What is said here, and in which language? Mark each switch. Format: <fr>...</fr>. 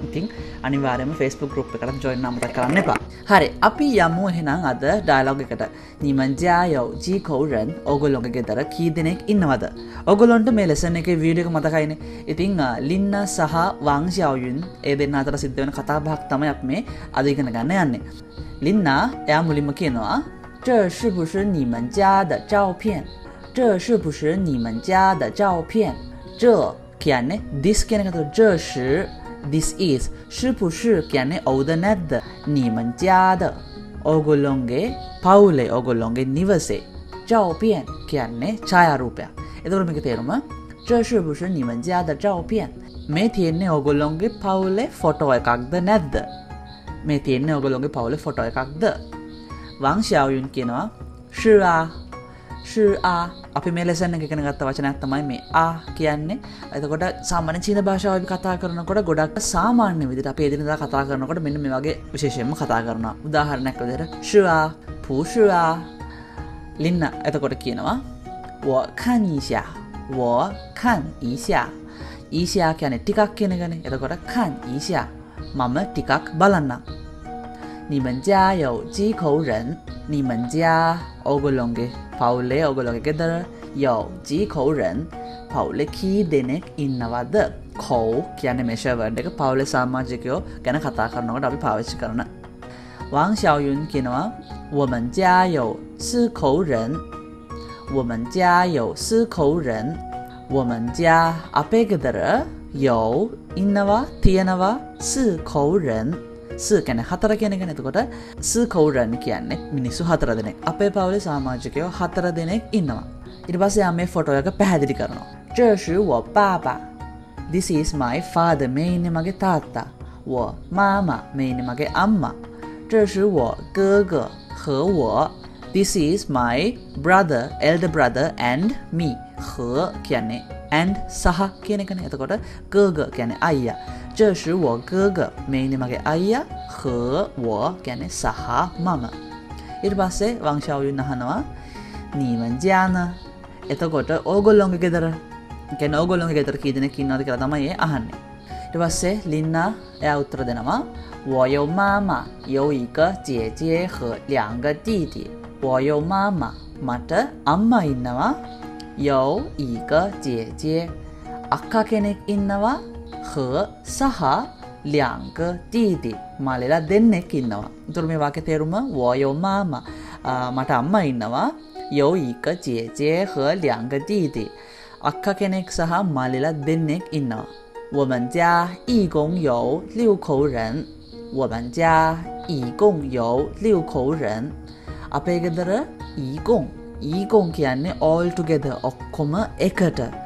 <si>ඉතින් අනිවාර්යයෙන්ම Facebook group එකට join වෙන්න මතක් කරන්න එපා. හරි, අපි යමු එහෙනම් අද dialogue එකට. නිමන්ජායෝ ජී කෝරන් ඔයගොල්ලෝගේ ගෙදර කී දෙනෙක් ඉන්නවද? ඔයගොල්ලන්ට මේ lesson එකේ video එක මතකයිනේ. ඉතින් ලින්නා සහ වාං ෂියාවුන් ඒ දෙන්න අතර සිද්ධ වෙන කතා බහක් තමයි අපි මේ අද ඉගෙන ගන්න යන්නේ. ලින්නා එයා මුලින්ම කියනවා,</si> <zh>"这是不是你们家的照片?" "这是不是你们家的照片?"</zh> <si>"这" කියන්නේ this කියන එකට "这是" this is. "是不是" කියන්නේ ඔව්ද නැද්ද? "你们家的" ඔගොල්ලොන්ගේ පවුලේ ඔගොල්ලොන්ගේ නිවසේ. "照片" කියන්නේ ඡායාරූපයක්. එතකොට මේකේ තේරුම</si> <zh>"这是不是你们家的照片?"</zh> <si>මේ තියෙන්නේ ඔයගොල්ලොන්ගේ පවුලේ ෆොටෝ එකක්ද නැද්ද? මේ තියෙන්නේ ඔයගොල්ලොන්ගේ පවුලේ ෆොටෝ එකක්ද? වාං ෂියාවුන් කියනවා,</si> <zh>"是啊." "是啊."</zh> <si>අපි මේ ලෙසන් එක ඉගෙන ගත්ත වචනයක් තමයි මේ "啊" කියන්නේ. එතකොට සාමාන්‍ය චීන භාෂාව අපි කතා කරනකොට ගොඩක් සාමාන්‍ය විදිහට අපි එදිනෙදා කතා කරනකොට මෙන්න මේ වගේ විශේෂයෙන්ම කතා කරනවා. උදාහරණයක් විදිහට</si> <zh>"是啊." "不是啊."</zh> <si>ලින්න එතකොට කියනවා,</si> <zh>"我看一下." "我看一下."</zh> <si>ඊෂයා කියන්නේ ටිකක් කියන ගනේ. එතකොට "看 ඊෂයා." මම ටිකක් බලන්නම්.</si> <zh>"你们家有几口人?"</zh> <si>"你们家" ඔගොල්ලොන්ගේ පවුලේ ඔගොල්ලොන්ගේ ගෙදර.</si> <zh>"有 几口人?"</zh> <si>පවුලේ කී දෙනෙක් ඉන්නවද? "口" කියන්නේ මෙෂර් වර්ඩ් එක පවුලේ සමාජිකයෝ ගැන කතා කරනකොට අපි පාවිච්චි කරන. වාං ෂියාවුන් කියනවා,</si> <zh>"我们家有四口人." "我们家有四口人."</zh> <si>"我们家" අපේ ගෙදර "有" ඉන්නවා තියෙනවා "四口人" "四" කියන්නේ හතර කියන එක. එතකොට "四口人" කියන්නේ මිනිස්සු හතර දෙනෙක්. අපේ පවුලේ සමාජිකයෝ හතර දෙනෙක් ඉන්නවා. ඊට පස්සේ ආ මේ ෆොටෝ එක පැහැදිලි කරනවා.</si> <zh>"这是我爸爸"</zh> <en>"This is my father"</en> <si>මේ ඉන්නේ මගේ තාත්තා. "我" "妈妈" මේ ඉන්නේ මගේ අම්මා. "这是我哥哥" "和我"</si> <en>"This is my brother"</en> <si>"elder brother" "and me" "和" කියන්නේ "and" "සහ" කියන එකනේ. එතකොට "哥哥" කියන්නේ අයියා. "这是我哥哥" මේනි මගේ අයියා. "和我" කියන්නේ "සහ" "මම." ඊට පස්සේ වාං ෂියාවුන් අහනවා,</si> <zh>"你们家呢?"</zh> <si>එතකොට ඕගොල්ලොන්ගේ ගෙදර කියන්නේ ඕගොල්ලොන්ගේ ගෙදර කී දෙනෙක් ඉන්නවද කියලා තමයි අහන්නේ. ඊට පස්සේ ලින්නා එයා උත්තර දෙනවා,</si> <zh>"我有妈妈，有一个姐姐和两个弟弟."</zh> <si>"我有 妈妈" මට අම්මා ඉන්නවා, "有 一个 姐姐" අක්ක කෙනෙක් ඉන්නවා, "和" සහ "两个 弟弟" මලලා දෙන්නෙක් ඉන්නවා. උතුර මේ වාක්‍ය තේරුම "我有 妈妈" මට අම්මා ඉන්නවා, "有 一个 姐姐和两个 弟弟" අක්ක කෙනෙක් සහ මලලා දෙන්නෙක් ඉන්නවා.</si> <zh>"我们家一共有六口人" "我们家一共有六口人"</zh> <si>අපේ ගෙදර</si> <zh>"ඊගොන්" "ඊගොන්" කියන්නේ all together ඔක්කොම එකට.</zh>